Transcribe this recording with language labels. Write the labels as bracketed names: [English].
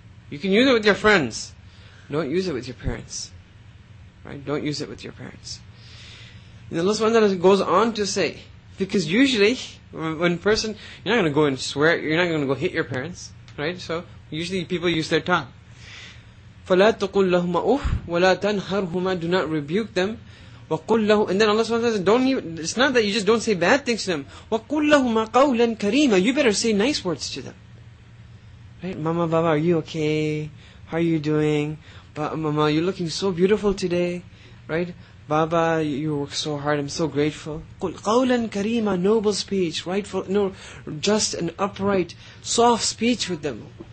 [English] You can use it with your friends. Don't use it with your parents. Right? Don't use it with your parents. And Allah subhanahu wa ta'ala goes on to say, because usually, when person, you're not going to go and swear, you're not going to go hit your parents. Right? So, usually people use their tongue. [Arabic] فَلَا تَقُلْ لَهُمَا أُفْ وَلَا تَنْهَرْهُمَا [English] Do not rebuke them. [Arabic] وَقُلْ لَهُمَا [English] And then Allah subhanahu wa ta'ala says, it's not that you just don't say bad things to them. [Arabic] وَقُلْ لَهُمَا قَوْلًا كَرِيمًا [English] You better say nice words to them. Right? Mama, Baba, are you okay? How are you doing? Mama, you're looking so beautiful today. Right? Baba, you work so hard, I'm so grateful. [Arabic] قُلْ قَوْلًا كَرِيمًا [English] Noble speech, rightful, no, just and upright, soft speech with them.